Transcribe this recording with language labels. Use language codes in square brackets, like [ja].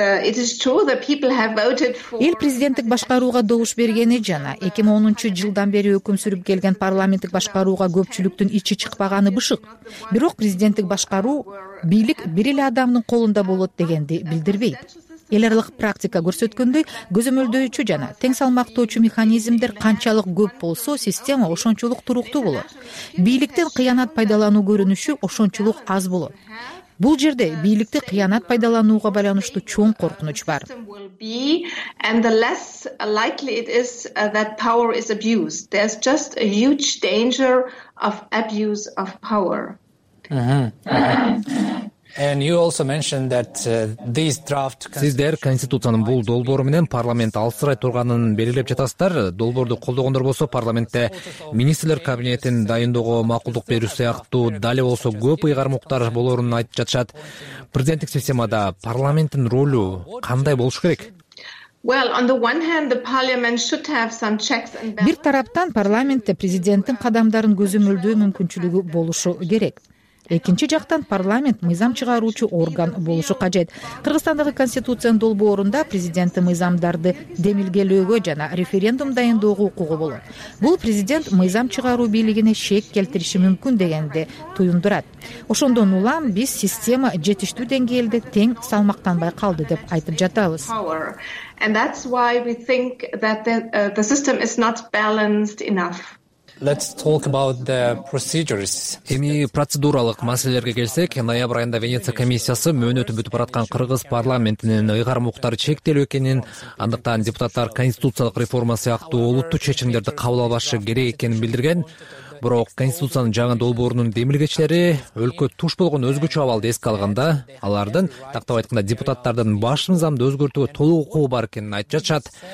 [en] It is true that people have voted for [ky] эл президенттик башкарууга добуш бергени жана 2010-жылдан бери өкүм сүрүп келген парламенттик башкарууга көпчүлүктүн ичи чыкпаганы бышык. Бирок президенттик башкаруу бийлик бир эле адамдын колунда болот дегенди билдирбейт. Эл аралык практика көрсөткөндөй, көзөмөлдөөчү жана тең салмактоочу механизмдер канчалык көп болсо, система ошончолук туруктуу болот. Бийликтен кыянат пайдалануу көрүнүшү ошончолук аз болот. Бул жерде бийликти кыянат пайдаланууга байланыштуу чоң коркунуч бар. [en] And the less likely it is that power is abused. There's just a huge danger of abuse of power. And you also mentioned that this draft [ky] Сиздер конституциянын бул долбоору менен парламент алсырай турганын белгилеп жатасыздар. Долбоорду колдогондор болсо парламентте министрлер кабинетин дайындоого макулдук берүү сыяктуу дале болсо көп ыйгармуктар болорун айтып жатышат. Президенттик системада парламенттин ролу кандай болуш керек? [en] Well, on the one hand, the parliament should have some checks and balances. [ky] Бир тараптан парламентте президенттин кадамдарын көзөмөлдөө мүмкүнчүлүгү болушу керек. Экинчи жактан парламент мыйзам чыгаруучу орган болушу кажет. Кыргызстандагы конституциянын долбоорунда президенттин мыйзамдарды демилгелөөгө жана референдум дайындоого укугу болот. Бул президент мыйзам чыгаруу бийлигине шек келтириши мүмкүн дегенди туюндурат. Ошондон улам биз система жетиштүү деңгээлде тең салмактанбай калды деп айтып жатабыз. [en] And that's why we think that the system is not balanced enough. Let's talk about the procedures. [ky] Эми процедуралык маселелерге келсек, ноябрь айында Венеция комиссиясы мөөнөтүп бүтүп бараткан кыргыз парламентинин ыйгарым укуктары чектелүү экенин, андыктан депутаттар конституциялык реформа сыяктуу олуттуу чечимдерди кабыл албашы керек экенин билдирген. Бирок конституциянын жаңы долбоорунун демилгечилери өлкө туш болгон өзгөчө абалды эске алганда, алардын, тактап айтканда, депутаттардын баш мыйзамды өзгөртүүгө толук укугу бар экенин айтып жатышат.